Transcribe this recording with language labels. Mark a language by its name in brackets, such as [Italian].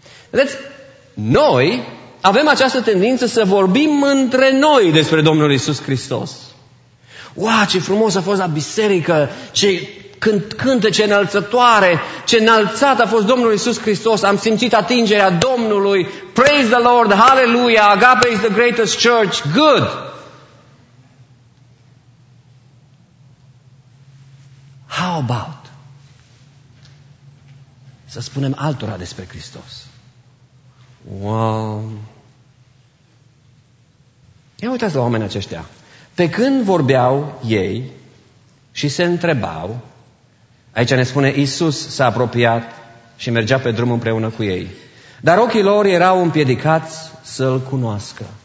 [Romanian] Vedeți, noi avem această tendință să vorbim între noi despre Domnul Iisus Hristos. Uau, ce frumos a fost la biserică, ce cântă, ce înălțătoare, ce înălțat a fost Domnul Iisus Hristos. Am simțit atingerea Domnului. [English] Praise the Lord, hallelujah, Agape is the greatest church, good. How about [Romanian] să spunem altora despre Hristos? [English] Wow. [Romanian] Ia uitați la oamenii aceștia. Pe când vorbeau ei și se întrebau, aici ne spune Iisus s-a apropiat și mergea pe drum împreună cu ei, dar ochii lor erau împiedicați să-L cunoască.